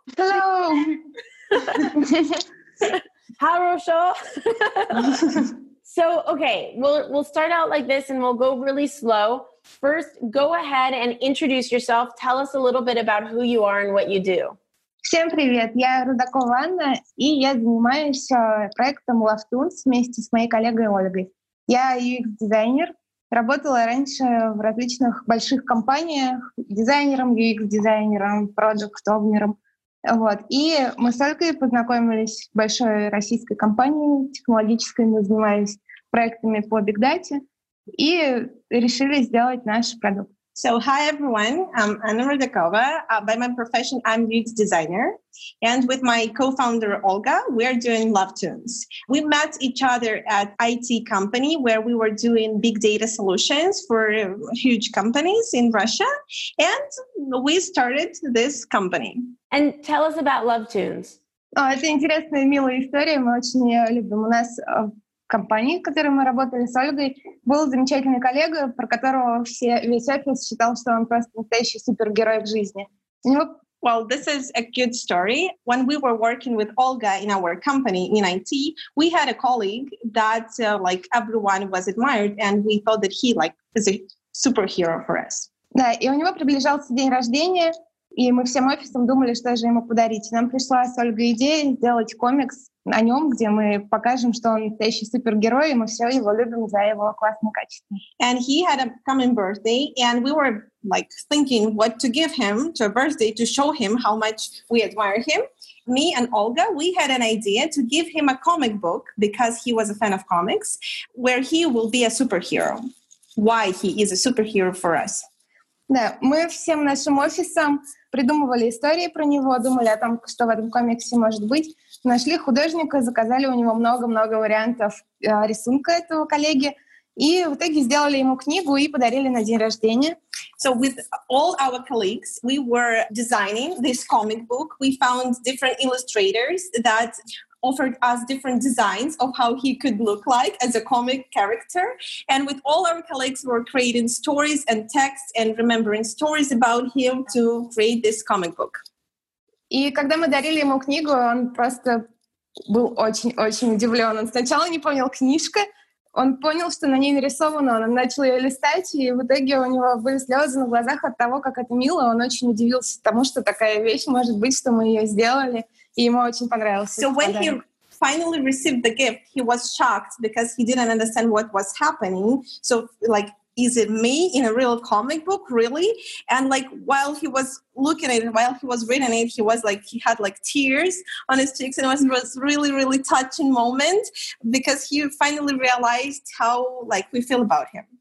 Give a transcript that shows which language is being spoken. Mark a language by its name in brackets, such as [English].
[English] Hello. [Russian] Хорошо. [English] So, okay, we'll start out like this and we'll go really slow. First, go ahead and introduce yourself. Tell us a little bit about who you are and what you do. [Russian] Всем привет! Я Рудакова Анна, и я занимаюсь проектом Love Tunes вместе с моей коллегой Ольгой. Я UX-дизайнер. Работала раньше в различных больших компаниях дизайнером, UX-дизайнером, проджект-овнером. Вот. И мы с Ольгой познакомились в большой российской компании технологической. Мы занимались проектами по Big Data. И решили сделать наш продукт. [English] So, hi everyone, I'm Anna Rodakova. By my profession, I'm UX designer. And with my co-founder, Olga, we're doing Love Tunes. We met each other at IT company where we were doing big data solutions for huge companies in Russia. And we started this company. And tell us about Love Tunes. [Russian] Oh, это интересная, милая история. Мы очень ее любим. У нас компании, в которой мы работали с Ольгой, был замечательный коллега, про которого весь офис считал, что он просто настоящий супергерой в жизни. [English] Well, this is a good story. When we were working with Olga in our company in IT, we had a colleague that like everyone was admired, and we thought that he like is a superhero for us. [Russian] Да, и у него приближался день рождения, и мы всем офисом думали, что же ему подарить. Нам пришла с Ольгой идея сделать комикс о нем, где мы покажем, что он настоящий супергерой, и мы все его любим за его классные качества. [English] And he had a coming birthday, and we were like thinking what to give him to a birthday to show him how much we admire him. Me and Olga, we had an idea to give him a comic book because he was a fan of comics, where he will be a superhero. Why he is a superhero for us? [Russian] Да, мы всем нашим офисом придумывали истории про него, думали о том, что в этом комиксе может быть. Нашли художника, заказали у него много-много вариантов рисунка этого коллеги, и в итоге сделали ему книгу и подарили на день рождения. [English] So with all our colleagues, we were designing this comic book. We found different illustrators that offered us different designs of how he could look like as a comic character. And with all our colleagues, we were creating stories and texts and remembering stories about him to create this comic book. [Russian] И когда мы дарили ему книгу, он просто был очень-очень удивлен. Он сначала не понял книжка, он понял, что на ней нарисовано, он начал ее листать, и в итоге у него были слезы на глазах от того, как это мило. Он очень удивился тому, что такая вещь может быть, что мы ее сделали, и ему очень понравилось. [English] So when he finally received the gift, he was shocked because he didn't understand what was happening. So like, is it me in a real comic book, really? And like, while he was looking at it, while he was reading it, he was like, he had like tears on his cheeks, and it was really, really touching moment because he finally realized how like we feel about him.